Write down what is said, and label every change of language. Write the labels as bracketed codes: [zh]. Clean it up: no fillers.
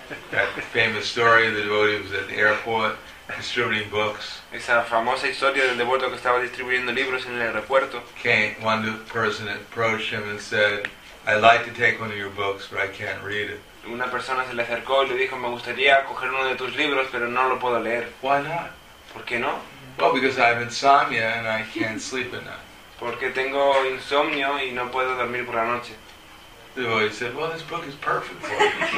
[en] That famous story of the devotee was at the airport distributing books. [es] Esa famosa historia del devoto que estaba distribuyendo libros en el aeropuerto. [en] Came one person approached him and said, "I'd like to take one of your books, but I can't read it." [es] Una persona se le acercó y le dijo, "Me gustaría coger uno de tus libros, pero no lo puedo leer." [en] Why not? [es] ¿Por qué no? [en] Well, because I have insomnia and I can't sleep at night. [es] Porque tengo insomnio y no puedo dormir por la noche. [en] The devotee said, "Well, this book is perfect for you."